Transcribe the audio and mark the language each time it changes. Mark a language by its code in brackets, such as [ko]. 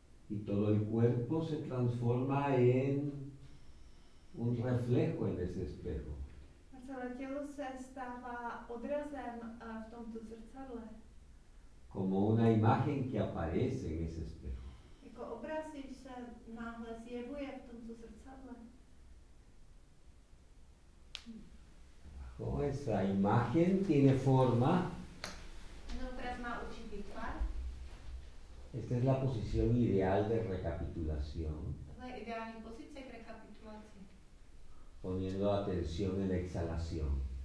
[es] Y todo el cuerpo se transforma en un reflejo en ese espejo. [cs] A celé tělo se stává odrazem v tomto zrcadle. [es] Como una imagen que aparece en ese espejo. [cs] Jako obraz, když se náhle zjevuje v tomto zrcadle. [es] Bajo esa imagen tiene forma. [cs] Ten obraz má určitý tvar. [es] Esta es la posición ideal de recapitulación. La ideal posición de recapitulación. Poniendo atención en la exhalación.